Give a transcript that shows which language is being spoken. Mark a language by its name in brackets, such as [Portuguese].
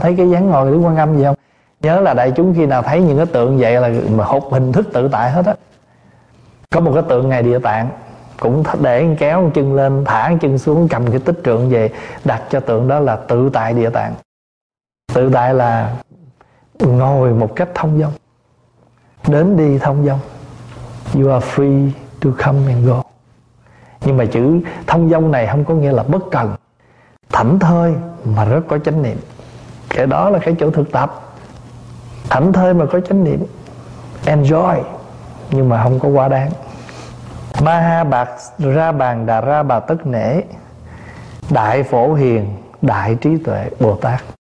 [Vietnamese] Thấy cái dáng ngồi Đức Quan Âm gì không? Nhớ là đại chúng khi nào thấy những cái tượng vậy là mà hộp hình thức tự tại hết á. Có một cái tượng ngài Địa Tạng cũng để kéo một chân lên, thả một chân xuống, cầm cái tích trượng về, đặt cho tượng đó là tự tại Địa Tạng. Tự tại là ngồi một cách thông dong, đến đi thông dong. [English] You are free to come and go. [Vietnamese] Nhưng mà chữ thông dong này không có nghĩa là bất cần, thảnh thơi mà rất có chánh niệm. Cái đó là cái chỗ thực tập. Thảnh thơi mà có chánh niệm, enjoy, nhưng mà không có quá đáng. Ma ha bạc ra bàn đà ra bà tất nể, đại phổ hiền, đại trí tuệ Bồ Tát.